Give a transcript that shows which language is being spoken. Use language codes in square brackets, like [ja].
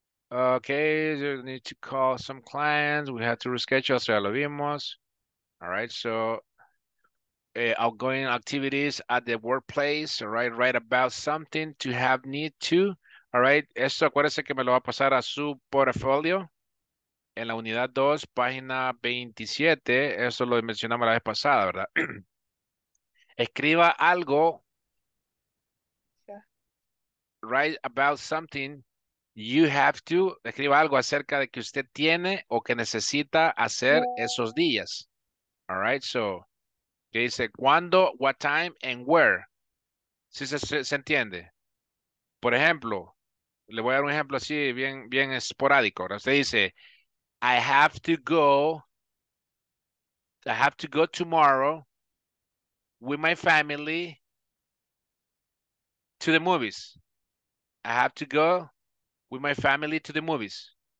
[en] Okay, you need to call some clients. We have to reschedule, so [es] ya lo vimos. [en] All right, so outgoing activities at the workplace, all right, write about something to have need to. All right, [es] esto acuérdense que me lo va a pasar a su portfolio. En la unidad 2, página 27, eso lo mencionamos la vez pasada, ¿verdad? Escriba algo. Yeah. [en] Write about something you have to. [es] Escriba algo acerca de que usted tiene o que necesita hacer esos días. [en] All right, so, [es] ¿qué dice? ¿Cuándo, [en] what time, and where? [es] ¿Sí se entiende? Por ejemplo, le voy a dar un ejemplo así, bien, bien esporádico. Usted dice, [en] I have to go tomorrow with my family to the movies. I have to go with my family to the movies.